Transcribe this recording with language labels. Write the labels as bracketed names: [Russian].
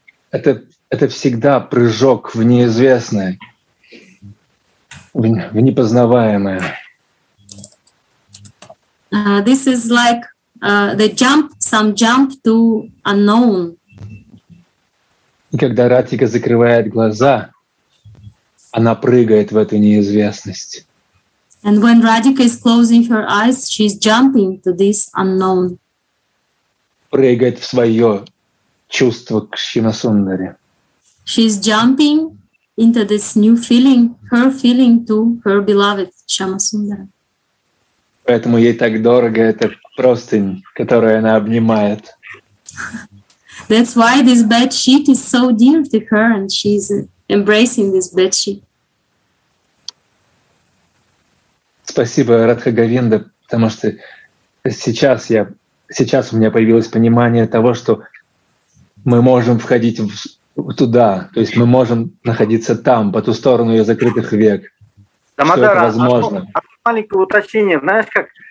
[Russian] Это всегда прыжок в неизвестное, в непознаваемое. [English] This is like the jump, some jump to unknown. [Russian] И когда Радхика закрывает глаза, она прыгает в эту неизвестность. [English] And when Radhika is closing her eyes, she is jumping to this unknown. [Russian] Прыгает в свое чувство к Шимасундаре. [English] She is jumping into this new feeling, her feeling to her beloved Шимасундара. [Russian] Поэтому ей так дорого эта простынь, которую она обнимает. [English] That's why this bed sheet is so dear to her, and she is embracing this bed sheet. [Russian] Спасибо, Радха Говинда, потому что сейчас я Сейчас у меня появилось понимание того, что мы можем входить туда, то есть мы можем находиться там, по ту сторону ее закрытых век. Дамодара, что это возможно. Маленькое уточнение. Знаешь, как